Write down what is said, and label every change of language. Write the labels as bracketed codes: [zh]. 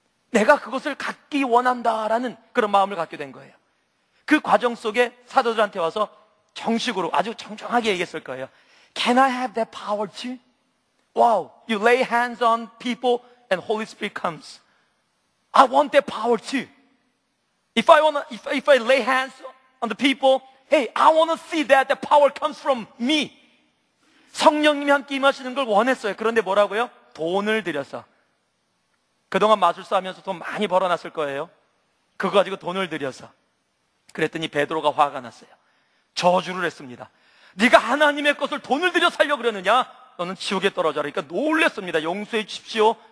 [ko] 내가 그것을 갖기 원한다라는 그런 마음을 갖게 된 거예요. 그 과정 속에 사도들한테 와서 정식으로 아주 정정하게 얘기했을 거예요. [en] Can I have that power too? Wow, you lay hands on people and Holy Spirit comes. I want that power too. If I lay hands on the people, hey, I want to see that the power comes from me. [ko] 성령님이 함께 임하시는 걸 원했어요. 그런데 뭐라고요? 돈을 들여서. 그동안 마술사 하면서 돈 많이 벌어놨을 거예요. 그거 가지고 돈을 들여서. 그랬더니 베드로가 화가 났어요. 저주를 했습니다. 네가 하나님의 것을 돈을 들여 살려고 그러느냐? 너는 지옥에 떨어져라. 그러니까 놀랬습니다. 용서해 주십시오.